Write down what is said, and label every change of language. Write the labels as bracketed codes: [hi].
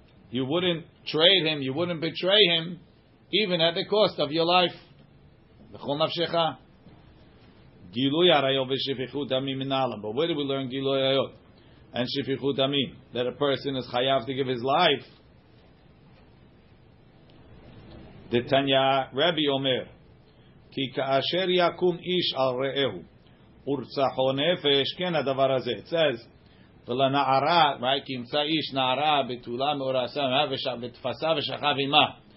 [en] You wouldn't trade him, you wouldn't betray him, even at the cost of your life. [he] בכל נפשך. גילוי עריות ושפיכות דמים מנהלן. [en] But where do we learn [he] גילוי עריות [en] and [he] שפיכות דמים? [en] That a person is חייב to give his life. [he] דתניא רבי אומר, כי כאשר יקום איש על רעהו ורצחו נפש, כן הדבר הזה. [en] It says, [he] ולנערה, [en] right, [he] כי ימצא איש נערה בתולה מאורסה, ותפסה ושכב עמה.